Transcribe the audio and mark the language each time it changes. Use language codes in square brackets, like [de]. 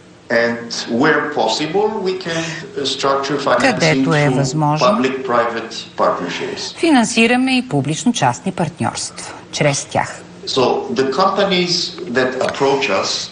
[en] And where possible, we can structure financing through public-private partnerships. [bg] Финансираме и публично-частни партньорства чрез тях. [en] So the companies that approach us,